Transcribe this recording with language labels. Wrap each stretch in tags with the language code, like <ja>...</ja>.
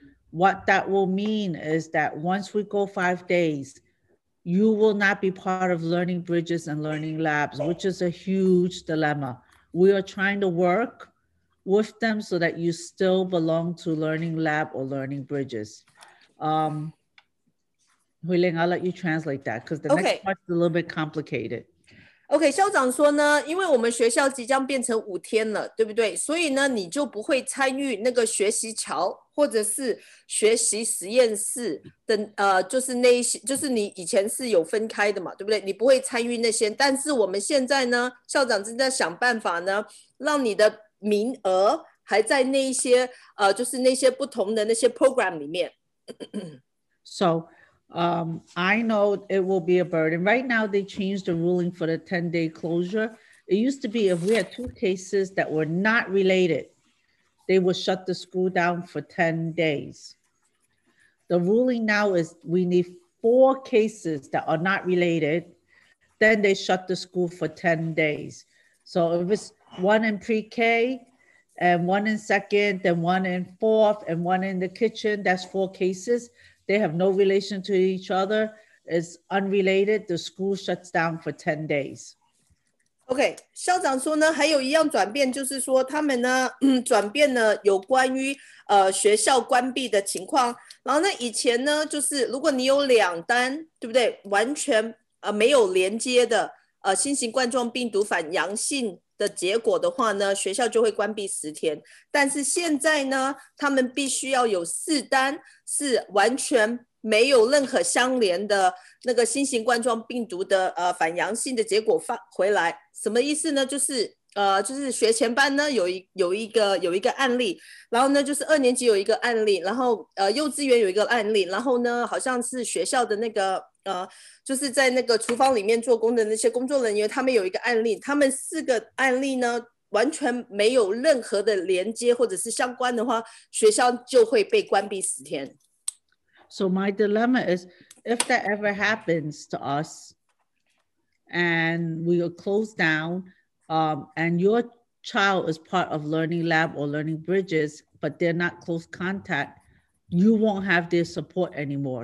<en>What that will mean is that once we go 5 days, you will not be part of Learning Bridges and Learning Labs, which is a huge dilemma. We are trying to work with them so that you still belong to Learning Lab or Learning Bridges. Huiling, I'll let you translate that because the next part's a little bit complicated.</en> <zh>OK，校长说呢，因为我们学校即将变成5天了，对不对？所以呢，你就不会参与那个学习桥或者是学习实验室的，就是那一些，就是你以前是有分开的嘛，对不对？你不会参与那些。但是我们现在呢，校长正在想办法呢，让你的名额还在那一些，就是那些不同的那些 program 里面。</zh> <en>So, I know it will be a burden. Right now, they changed the ruling for the 10-day closure. It used to be if we had two cases that were not related, they would shut the school down for 10 days. The ruling now is we need four cases that are not related, then they shut the school for 10 days. So if it's one in pre-K, and one in second, then one in fourth, and one in the kitchen, that's four cases. They have no relation to each other. It's unrelated. The school shuts down for 10 days.</en> <zh>OK，校长说呢，还有一样转变，就是说他们呢，转变了有关于学校关闭的情况。然后呢，以前呢，就是如果你有2单，对不对？完全没有连接的新型冠状病毒反阳性的结果的话呢，学校就会关闭10天。但是现在呢，他们必须要有4单是完全没有任何相连的那个新型冠状病毒的反阳性的结果发回来，什么意思呢？就是学前班呢有一个案例，然后呢就是2年级有一个案例，然后幼稚园有一个案例，然后呢好像是学校的那个就是在那个厨房里面做工的那些工作人员，他们有一个案例，他们4个案例呢完全没有任何的连接或者是相关的话，学校就会被关闭10天。</zh> <en>So my dilemma is if that ever happens to us and we are closed down, and your child is part of Learning Lab or Learning Bridges, but they're not close contact, you won't have their support anymore.</en>